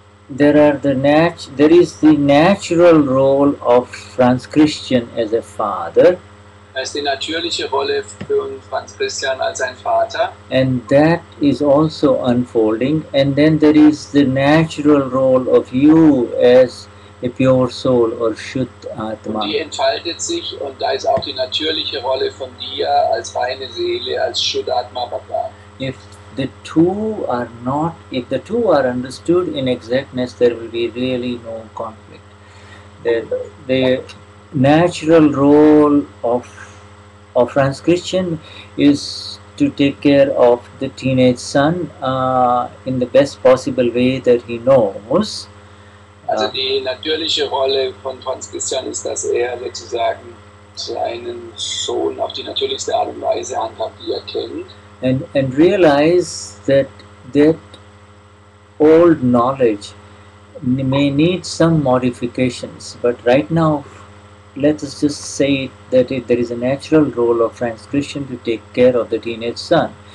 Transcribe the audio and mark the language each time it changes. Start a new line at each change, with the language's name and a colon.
English: There is the natural role of Franz Christian as a father.
German: Es ist die natürliche Rolle für Franz Christian als ein Vater.
English: And that is also unfolding. And then there is the natural role of you as a pure soul or Shuddha Atma.
German: Die entfaltet sich und da ist auch die natürliche Rolle von dir als reine Seele, als Shuddha Atma Baba.
English: If the two are understood in exactness, there will be really no conflict. The natural role of Franz Christian is to take care of the teenage son in the best possible way that he knows.
German: Also die natürliche Rolle von Franz Christian ist, dass er sozusagen seinen Sohn auf die natürlichste Art und Weise handhabt, die er kennt.
English: And realize that old knowledge may need some modifications, but right now let us just say that there is a natural role of Franz Christian to take care of the teenage son.